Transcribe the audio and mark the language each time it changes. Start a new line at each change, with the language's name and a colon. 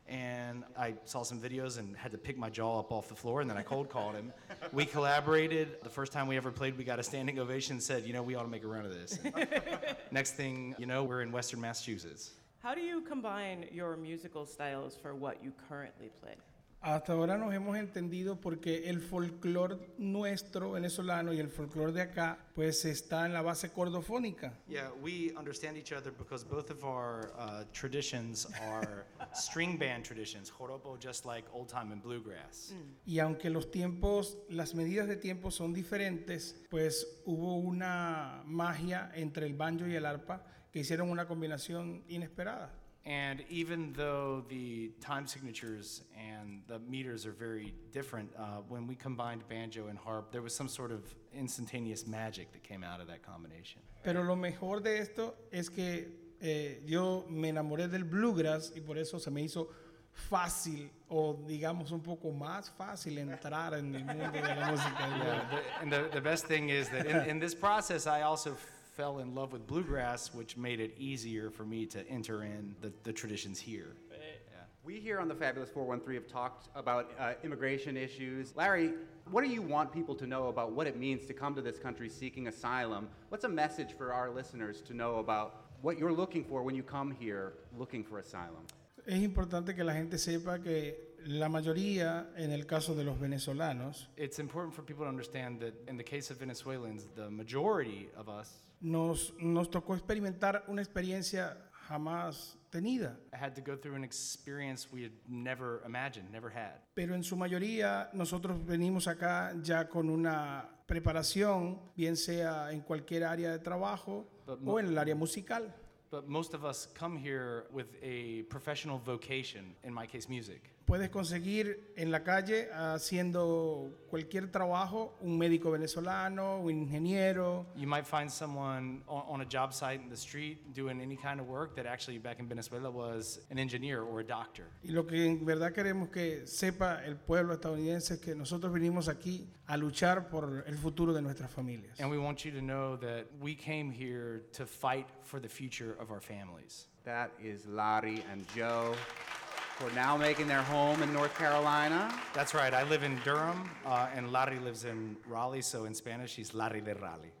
English: And I saw some videos and had to pick my jaw up off the floor, and then I cold-called him. We collaborated. The first time we ever played, we got a standing ovation and said, you know, we ought to make a run of this. Next thing you know, we're in Western Massachusetts. How do you combine your musical styles for what you currently play?
Spanish: Hasta ahora nos hemos entendido porque el folclore nuestro venezolano y el folclore de acá pues está en la base cordofónica.
English: Yeah, we understand each other because both of our traditions are string band traditions, joropo just like old time and bluegrass. Mm.
Spanish: Y aunque los tiempos, las medidas de tiempo son diferentes, pues hubo una magia entre el banjo y el arpa que hicieron una combinación inesperada.
English: And even though the time signatures and the meters are very different, when we combined banjo and harp, there was some sort of instantaneous magic that came out of that combination.
Spanish: Pero lo mejor de esto es que yo me enamoré del bluegrass y por eso se me hizo fácil, o digamos un poco más fácil, entrar en el mundo de la música.
English: Yeah, the best thing is that in this process, I also fell in love with bluegrass, which made it easier for me to enter in the traditions here. Yeah. We here on the Fabulous 413 have talked about immigration issues. Larry, what do you want people to know about what it means to come to this country seeking asylum? What's a message for our listeners to know about what you're looking for when you come here looking for asylum?
Spanish: Es importante que la gente sepa que la mayoría, en el caso de los venezolanos,
English: it's important for people to understand that in the case of Venezuelans, the majority of us
Spanish: nos tocó experimentar una experiencia jamás tenida.
English: I had to go through an experience we had never imagined, never had.
Spanish: Pero en su mayoría, nosotros venimos acá ya con una preparación, bien sea en cualquier área de trabajo o en el área musical.
English: But most of us come here with a professional vocation, in my case, music.
Spanish: Puedes conseguir en la calle haciendo cualquier trabajo, un médico venezolano, un ingeniero.
English: You might find someone on a job site in the street doing any kind of work that actually back in Venezuela was an engineer or a doctor.
Spanish: Y lo que en verdad queremos que sepa el pueblo estadounidense es que nosotros vinimos aquí a luchar por el futuro de nuestras familias.
English: And we want you to know that we came here to fight for the future of our families. That is Larry and Joe. who are now making their home in North Carolina. That's right. I live in Durham, and Larry lives in Raleigh. So in Spanish, he's Larry de Raleigh.